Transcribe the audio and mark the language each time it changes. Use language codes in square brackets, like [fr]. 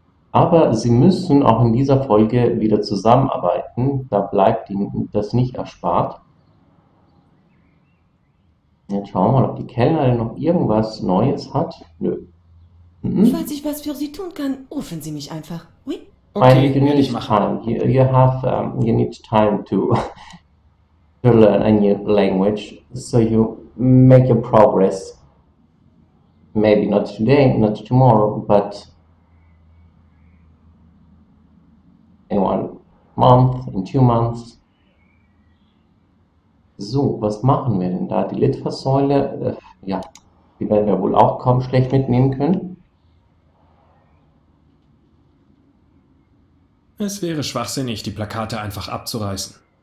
[de] Aber sie müssen auch in dieser Folge wieder zusammenarbeiten. Da bleibt ihnen das nicht erspart. Jetzt schauen wir mal, ob die Kellnerin noch irgendwas Neues hat. Nö. Falls ich was für Sie tun kann, rufen Sie mich einfach. [fr] Oui? [en] Okay, [de] weil [en] you need time. You need time to learn a new language, so you make your progress. Maybe not today, not tomorrow, but in 1 month, in 2 months. [de] So, was machen wir denn da? Die Litfaßsäule, ja, die werden wir wohl auch kaum schlecht mitnehmen können. Es wäre schwachsinnig, die Plakate einfach abzureißen.